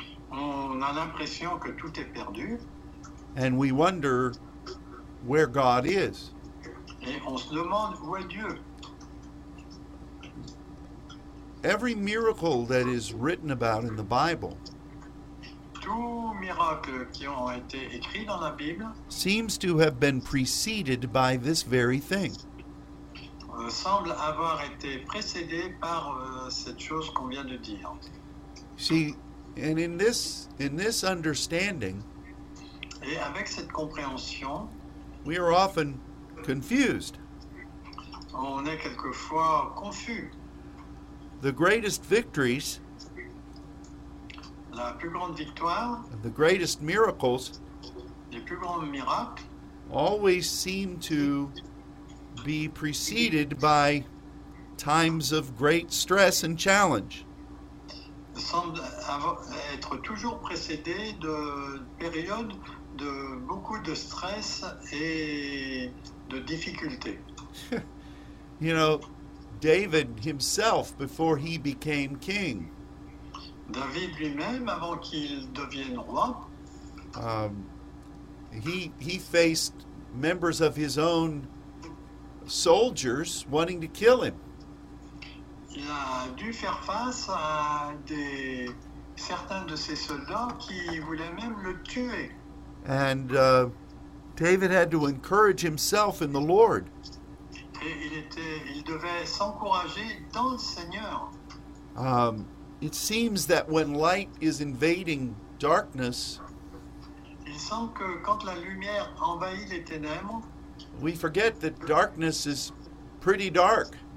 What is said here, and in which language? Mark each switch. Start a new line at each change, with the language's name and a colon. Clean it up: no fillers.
French: On a l'impression que tout est perdu.
English: And we wonder where God is.
French: Et on se demande où est Dieu.
English: Every miracle that is written about in the Bible,
French: tout miracle qui ont été écrits dans la Bible,
English: seems to have been preceded by this very thing.
French: Semble avoir été précédé par cette chose qu'on vient de dire.
English: See, and in this understanding,
French: et avec cette compréhension,
English: we are often confused.
French: On est quelquefois confus.
English: The greatest victories,
French: la plus grande victoire,
English: the greatest miracles,
French: les plus grands miracles,
English: always seem to be preceded by times of great stress and challenge.
French: Semble être toujours précédé de périodes de beaucoup de stress et de difficultés.
English: You know, David himself, before he became king,
French: David lui-même, avant qu'il devienne roi,
English: he faced members of his own soldiers wanting to kill him.
French: Il a dû faire face à certains de ses soldats qui voulaient même le tuer.
English: And David had to encourage himself in the Lord.
French: Et il devait s'encourager dans le Seigneur.
English: It seems that when light is invading darkness,
French: il semble que quand la lumière envahit les ténèbres,
English: we forget that darkness is pretty dark.